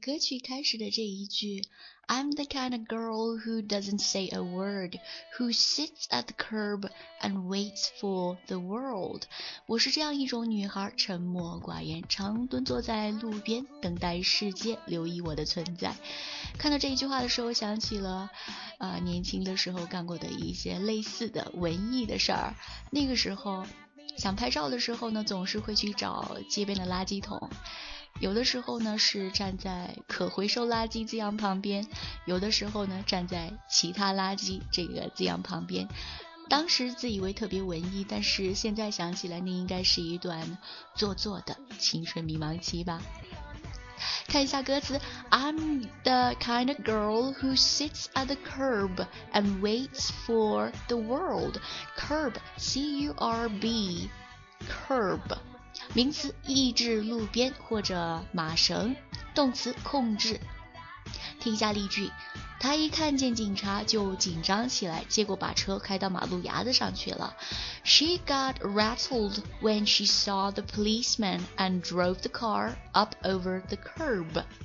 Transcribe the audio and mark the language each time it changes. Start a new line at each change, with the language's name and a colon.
Chinese: 歌曲开始的这一句
English: I'm the kind of girl who doesn't say a word, who sits at the curb and waits for the world。
Chinese: 我是这样一种女孩，沉默寡言，常蹲坐在路边等待世界留意我的存在。看到这一句话的时候，想起了年轻的时候干过的一些类似的文艺的事儿。那个时候想拍照的时候呢，总是会去找街边的垃圾桶，有的时候呢是站在可回收垃圾字样旁边，有的时候呢站在其他垃圾这个字样旁边。当时自以为特别文艺，但是现在想起来，那应该是一段做作的青春迷茫期吧。看一下歌词，
English: I'm the kind of girl who sits at the curb and waits for the world. Curb, C-U-R-B, curb.
Chinese: 名词抑制路边或者马绳，动词控制。听一下例句，他一看见警察就紧张起来，结果把车开到马路牙子上去了。
English: She got rattled when she saw the policeman and drove the car up over the curb.